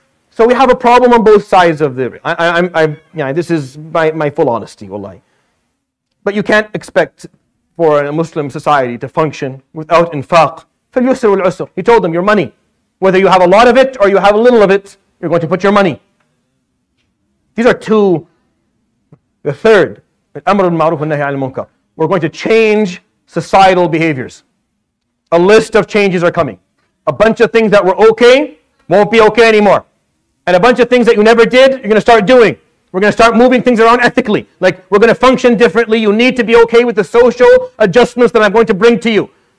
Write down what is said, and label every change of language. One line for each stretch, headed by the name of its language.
English: So we have a problem on both sides of the. This is my full honesty, wallahi. But you can't expect for a Muslim society to function without infaq.
Arabic: فَلْيُسْرُ وَالْعُسْرُ.
English: He told them, your money. Whether you have a lot of it or you have a little of it, you're going to put your money. These are two. The third,
Arabic: الْأَمْرُ الْمَعْرُوفُ وَالنَّهْيُ عَنِ الْمُنْكَرِ.
English: We're going to change societal behaviors. A list of changes are coming. A bunch of things that were okay won't be okay anymore. And a bunch of things that you never did, you're going to start doing. We're going to start moving things around ethically. Like, we're going to function differently. You need to be okay with the social adjustments that I'm going to bring to you.